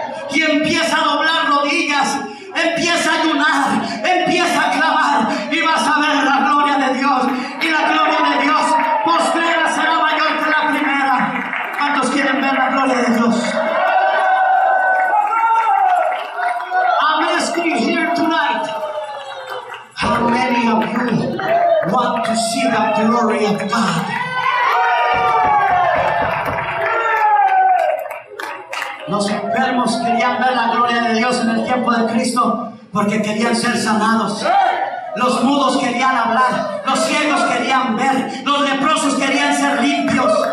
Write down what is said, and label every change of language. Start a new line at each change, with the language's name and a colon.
Spanish: y empieza a doblar rodillas, empieza a ayunar, empieza a clamar, y vas a ver la gloria de Dios. Y la gloria de Dios postrera será mayor que la primera. ¿Cuántos quieren ver la gloria de Dios?
English: I'm asking here tonight, how many of you want to see the glory of God?
Spanish: Los enfermos querían ver la gloria de Dios en el tiempo de Cristo porque querían ser sanados. Los mudos querían hablar, los ciegos querían ver, los leprosos querían ser limpios.